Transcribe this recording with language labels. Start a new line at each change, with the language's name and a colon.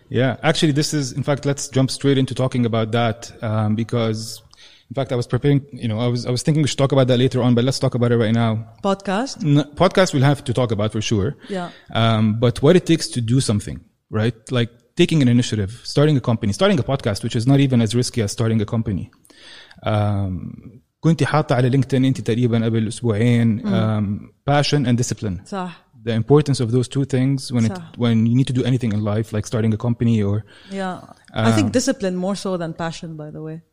English: Yeah, actually, this is, in fact, let's jump straight into talking about that because, in fact, I was preparing, you know, I was thinking we should talk about that later on, but let's talk about it right now. Podcast? Podcast we'll have to talk about for sure. Yeah. But what it takes to do something, right? Like taking an initiative, starting a company, starting a podcast, which is not even as risky as starting a company.
Arabic: كنت حاطة على لينكدين انت تقريبا قبل اسبوعين
English: passion and discipline.
Arabic: صح.
English: The importance of those two things when you need to do anything in life, like starting a company or I think discipline more so than passion, by the way.